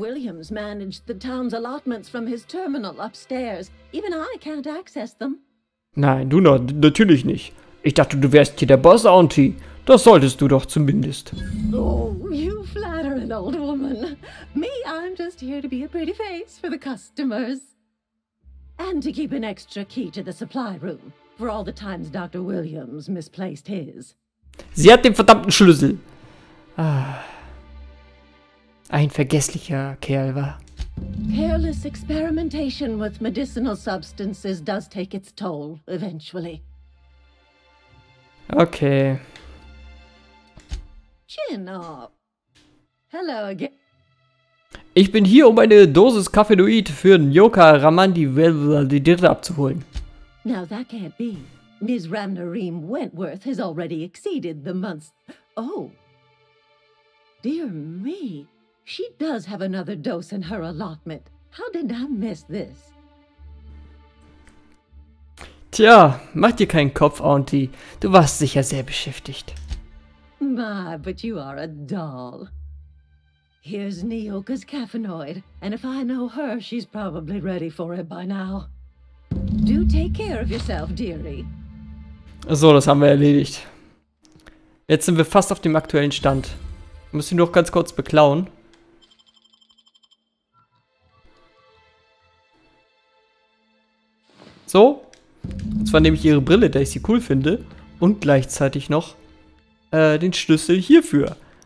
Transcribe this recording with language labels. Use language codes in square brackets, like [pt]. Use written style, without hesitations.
[en] Williams managed the town's allotments from his terminal upstairs. Even I can't access them. [de] Nein, du noch, natürlich nicht. Ich dachte, du wärst hier der Boss, Auntie. Das solltest du doch zumindest. [en] Oh, you flatter an old woman. Me, I'm just here to be a pretty face for the customers. And to keep an extra key to the supply room. For all the times Dr. Williams misplaced his. [de] Sie hat den verdammten Schlüssel. Ah. Ein vergesslicher Kerl war. [en] Careless experimentation with medicinal substances does take its toll eventually. Okay. Chin up. Hello again. [de] Ich bin hier, um eine Dosis Caffeinoid für Nyoka Ramandi abzuholen. [en] Now that can't be. Ms. Ramnareem Wentworth has already exceeded the month's. Oh. Dear me. She does have another dose in her allotment. How did I miss this? [de] Tja, mach dir keinen Kopf, Auntie. Du warst sicher sehr beschäftigt. [en] My, but you are a doll. Here's Neoka's Caffenoid. And if I know her, she's probably ready for it by now. Do take care of yourself, dearie. [de] So, das haben wir erledigt. Jetzt sind wir fast auf dem aktuellen Stand. Ich muss ihn doch ganz kurz beklauen. So. Und zwar nehme ich ihre Brille, da ich sie cool finde. Und gleichzeitig noch den Schlüssel hierfür.